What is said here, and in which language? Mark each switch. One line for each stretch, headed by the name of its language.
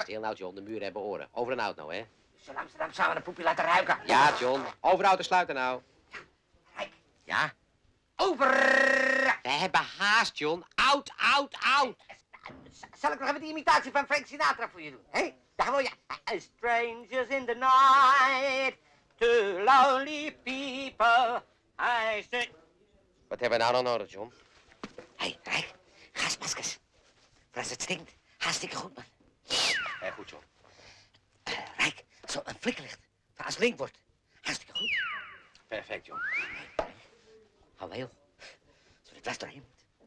Dutch: Stil nou, John. De muren hebben oren. Over en out nou, hè. Zullen Amsterdam samen een poepje laten ruiken? Ja, John. Over de sluiter nou. Ja? Over! We hebben haast, John. Out, out, out! Zal ik nog even die imitatie van Frank Sinatra voor je doen? Hé, daar wil je.
English: Strangers in the night, two lonely people, I say...
Dutch: Wat hebben we nou dan nodig, John? Hé, Rijk, gasmaskers. Voor als het stinkt, hartstikke goed, man. Hé, goed, John. Rijk, zo een flikkerlicht. Voor als het link wordt, hartstikke goed. Perfect, John. Hou wel, als we de klas doorheen moeten.